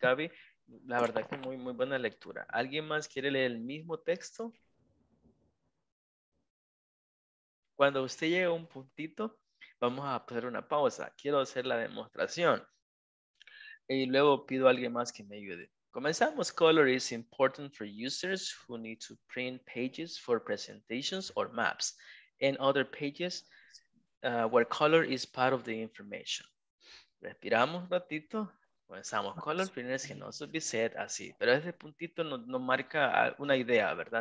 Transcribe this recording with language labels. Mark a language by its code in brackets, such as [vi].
[es] Gaby, la verdad que muy, muy buena lectura. ¿Alguien más quiere leer el mismo texto? Cuando usted llegue a un puntito, vamos a hacer una pausa. Quiero hacer la demostración. Y luego pido a alguien más que me ayude. Comenzamos. [en] Color is important for users who need to print pages for presentations or maps and other pages where color is part of the information. [es] Respiramos un ratito. Comenzamos. [en] Color printers can also be set [es] así. Pero ese puntito nos marca una idea, ¿verdad?